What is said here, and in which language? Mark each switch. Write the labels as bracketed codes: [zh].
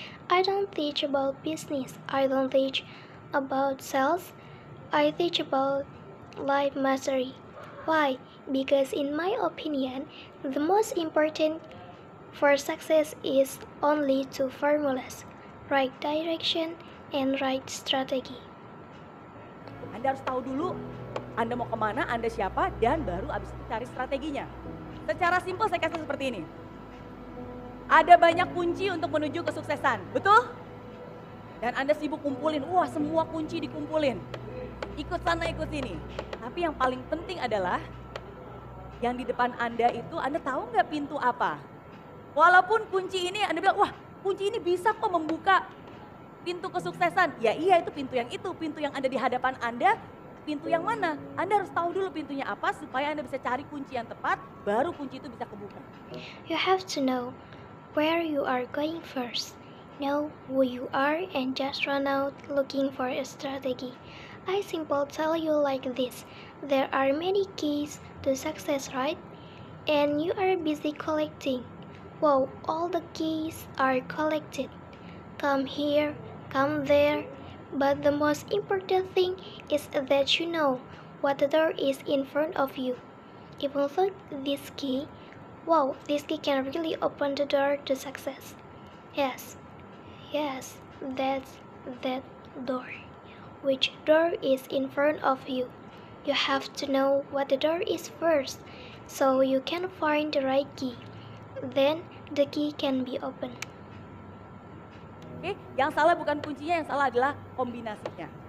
[en] I don't teach about business, I don't teach about sales, I teach about life mastery. Why? Because in my opinion, the most important for success is only two formulas, right direction and right strategy. [id] Anda harus tahu dulu Anda mau kemana, Anda siapa, dan baru abis itu cari strateginya. Secara simpel saya kasih seperti ini. Ada banyak kunci untuk menuju kesuksesan, betul? Dan Anda sibuk kumpulin, wah semua kunci dikumpulin. Ikut sana, ikut sini. Tapi yang paling penting adalah, yang di depan Anda itu, Anda tahu nggak pintu apa? Walaupun kunci ini, Anda bilang, wah kunci ini bisa kok membuka pintu kesuksesan. Ya iya, itu pintu yang itu, pintu yang ada di hadapan Anda, pintu yang mana? Anda harus tahu dulu pintunya apa supaya Anda bisa cari kunci yang tepat, baru kunci itu bisa kebuka. [en] You have to know where you are going first. Know who you are and just run out looking for a strategy. I simply tell you like this. There are many keys to success, right? And you are busy collecting. Wow, all the keys are collected. Come here, come there. But the most important thing is that you know what the door is in front of you. Even though this key, wow, this key can really open the door to success. Yes, yes, that's that door. Which door is in front of you? You have to know what the door is first, so you can find the right key. Then the key can be opened. [id] Oke, yang salah bukan kuncinya, yang salah adalah kombinasinya.